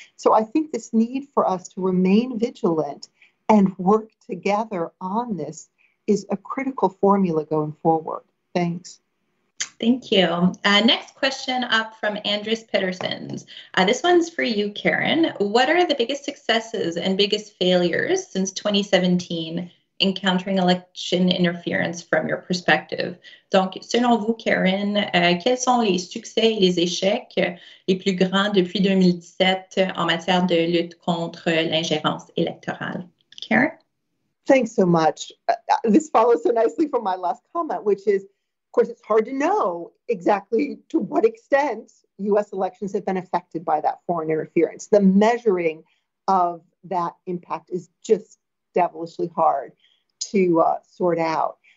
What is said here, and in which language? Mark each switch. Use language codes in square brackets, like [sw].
[en] So I think this need for us to remain vigilant and work together on this is a critical formula going forward. Thanks. Thank you. Next question up from Andres Petersons. This one's for you, Karen. What are the biggest successes and biggest failures since 2017 encountering election interference from your perspective? [fr] Donc, selon vous, Karen, quels sont les succès et les échecs les plus grands depuis 2017 en matière de lutte contre l'ingérence électorale? [en] Karen? Thanks so much. This follows so nicely from my last comment, which is, of course, it's hard to know exactly to what extent U.S. elections have been affected by that foreign interference. The measuring of that impact is just devilishly hard to sort out.